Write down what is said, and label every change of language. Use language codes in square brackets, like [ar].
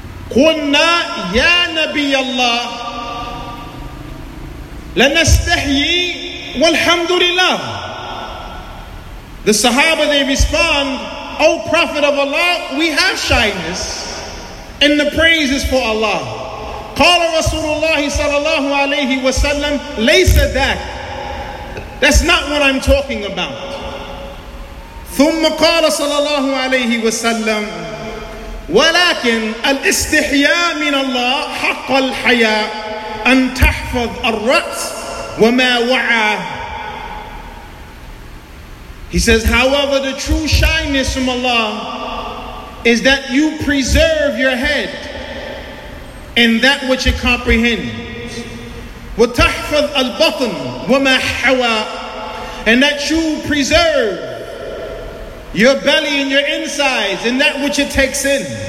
[ar] قُلْنَا يَا نَبِيَ اللَّهِ لَنَسْتَحْيِي وَالْحَمْدُ لِلَّهِ. [en] The Sahaba, they respond, O Prophet of Allah, we have shyness, and the praise is for Allah. [ar] قال رسول الله صلى الله عليه وسلم ليس ذاك. [en] That's not what I'm talking about. [ar] ثم قال صلى الله عليه وسلم ولكن الاستحياء من الله حق الحياء أن تحفظ الرأس وما وعى. [en] He says, however, the true shyness from Allah is that you preserve your head and that which it comprehends. [ar] وَتَحْفَظْ الْبَطْنِ وَمَا حَوَىٰ. [en] And that you preserve your belly and your insides and that which it takes in.